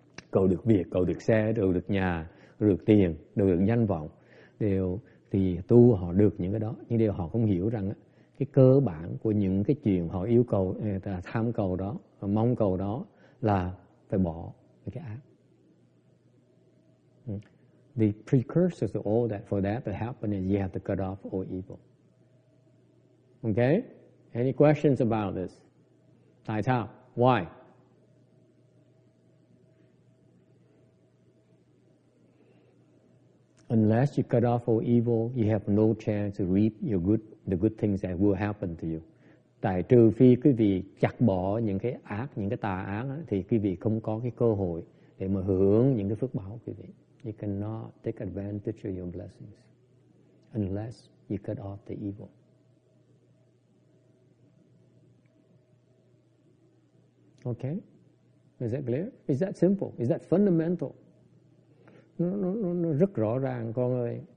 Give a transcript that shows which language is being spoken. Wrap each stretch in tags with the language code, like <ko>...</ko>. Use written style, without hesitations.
<vi>Cầu được việc, cầu được xe, cầu được nhà, được tiền, được danh vọng. Đều thì tu họ được những cái đó, nhưng điều họ không hiểu rằng cái cơ bản của những cái chuyện họ yêu cầu, tham cầu đó, mong cầu đó là phải bỏ cái ác.</vi> <en>The precursors of all that, for that to happen, is you have to cut off all evil. Okay? Any questions about this?</en> <vi>Tại sao?</vi> <en>Why? Unless you cut off all evil, you have no chance to reap your good, the good things that will happen to you.</en> <vi>Tại trừ phi quý vị chặt bỏ những cái ác, những cái tà ác, thì quý vị không có cái cơ hội để mà hưởng những cái phước báo quý vị.</vi> <en>You cannot take advantage of your blessings unless you cut off the evil. Okay? Is that clear? Is that simple? Is that fundamental?</en> <vi>Nó rất rõ ràng, con ơi.</vi>